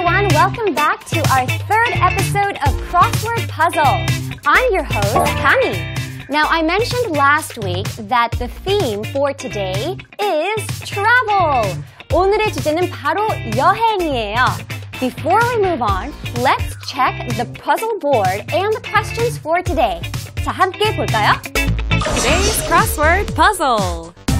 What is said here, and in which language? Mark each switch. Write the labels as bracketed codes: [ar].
[en] Welcome back to our third episode of Crossword Puzzle. I'm your host, Kami. Now, I mentioned last week that the theme for today is travel. [ko] 오늘의 주제는 바로 여행이에요. [en] Before we move on, let's check the puzzle board and the questions for today. [ko] 자, 함께 볼까요? [en] Today's Crossword Puzzle.